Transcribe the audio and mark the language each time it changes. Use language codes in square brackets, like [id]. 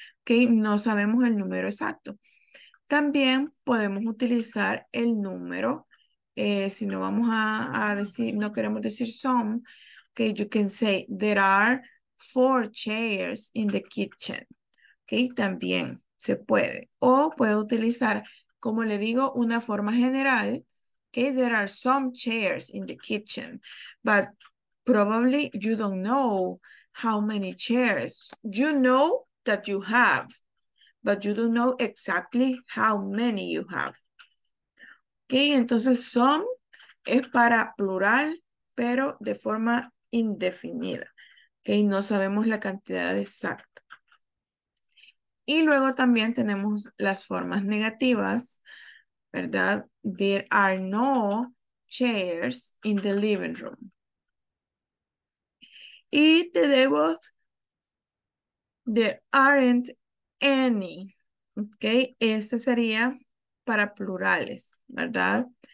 [es] Okay, no sabemos el número exacto. También podemos utilizar el número. Si no vamos a decir, no queremos decir [en] some, okay, you can say there are four chairs in the kitchen. [es] Okay, también se puede. O puede utilizar, como le digo, una forma general. [en] Okay, there are some chairs in the kitchen. But probably you don't know how many chairs. You know that you have. but you don't know exactly how many you have. [es] Okay, entonces some es para plural, pero de forma indefinida. Okay, no sabemos la cantidad exacta. Y luego también tenemos las formas negativas, ¿verdad? [en] There are no chairs in the living room. [es] Y tenemos, [en] there aren't any. [es] Okay, este sería para plurales, ¿verdad?